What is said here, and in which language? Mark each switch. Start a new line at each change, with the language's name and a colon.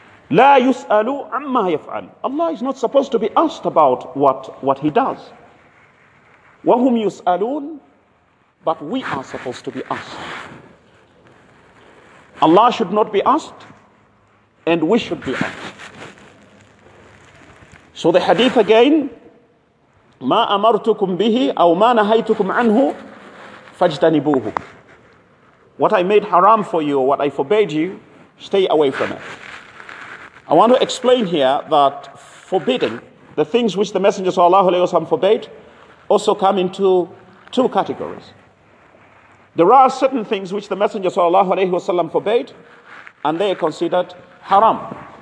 Arabic: La yus'alu amma yaf'al.
English: Allah is not supposed to be asked about what he does.
Arabic: Wa hum yus'alun.
English: But we are supposed to be asked. Allah should not be asked, and we should be asked. So the hadith again,
Arabic: ما أمرتكم به أو ما نهيتكم عنه فاجتنبوه.
English: What I made haram for you, what I forbade you, stay away from it. I want to explain here that forbidding, the things which the Messenger sallallahu alayhi wa sallam forbade, also come into two categories. There are certain things which the Messenger sallallahu alayhi wa sallam forbade, and they are considered haram.